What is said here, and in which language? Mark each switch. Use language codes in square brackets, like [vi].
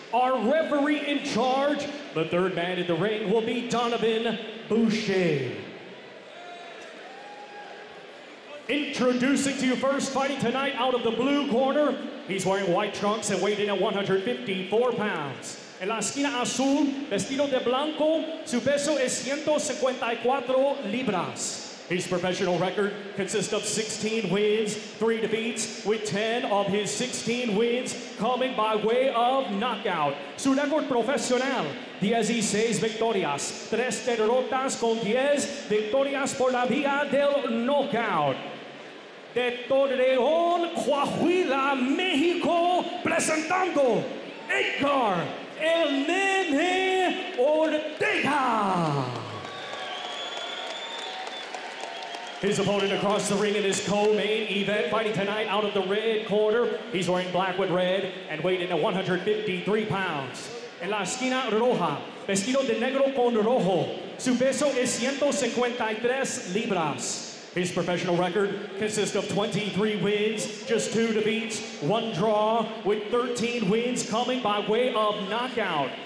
[en] Our referee in charge, the third man in the ring, will be Donovan Boucher. Introducing to you first, fighting tonight out of the blue corner, he's wearing white trunks and weighing in at 154 pounds. [es] En la esquina azul, vestido de blanco, su peso es 154 libras. [en] His professional record consists of 16 wins, 3 defeats, with 10 of his 16 wins coming by way of knockout. [es] Su record profesional, 16 victorias, 3 derrotas con 10 victorias por la vía del knockout. de Torreón, Coahuila, México, presentando Edgar El Nene Ortega. [en] His opponent across the ring in his co-main event, fighting tonight out of the red corner. He's wearing black with red and weighing at 153 pounds. [es] En la esquina roja, vestido de negro con rojo, su peso es 153 libras. [en] His professional record consists of 23 wins, just 2 defeats, 1 draw, with 13 wins coming by way of knockout.